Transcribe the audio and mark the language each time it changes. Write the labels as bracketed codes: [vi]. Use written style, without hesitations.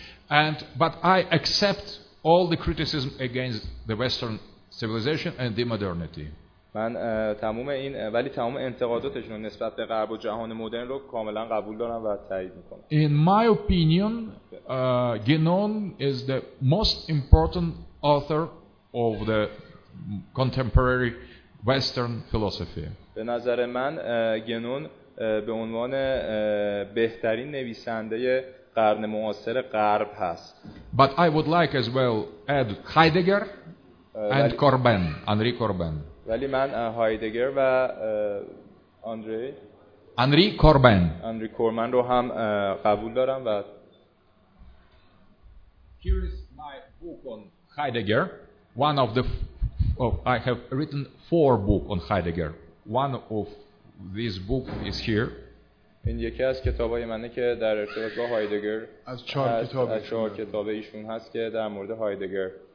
[en] And but I accept all the criticism against the Western civilization and the modernity. [fa] من تمام این ولی تمام انتقاداتش رو نسبت به غرب و جهان مدرن رو کاملا قبول دارم و تایید میکنم. [en] In my opinion, Genon is the most important author of the contemporary Western philosophy. [fa] به نظر من Genon به عنوان بهترین نویسنده قرن معاصر غرب هست. [en] But I would like as well add Heidegger and Corbin, Henri Corbin. [fa] ولی من هایدگر و آندری آنری کوربن رو هم قبول دارم و [en] Here is my book on Heidegger. One of the I have written four books on Heidegger. One of these books is here [fa] این یکی از کتابای منه که در ارتباط با هایدگر از چهار کتاب از چهار کتاب ایشون هست که در مورد هایدگر